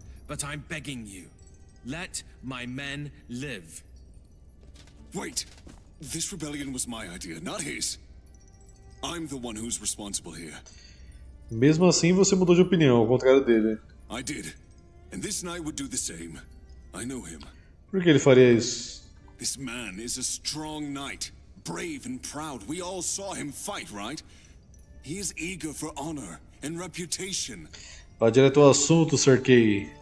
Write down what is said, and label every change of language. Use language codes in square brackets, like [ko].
[en] But I'm begging you, let my men live. Wait, this rebellion was my idea, not his. I'm the one who's responsible here. [pt] Mesmo assim, você mudou de opinião, ao contrário dele. [en] I did, and this knight would do the same. I know him. [pt] Por que ele faria isso? [en] This man is a strong knight, brave and proud. We all saw him fight, right? He is eager for honor and reputation. [pt] Vá direto ao assunto, Sir Kay.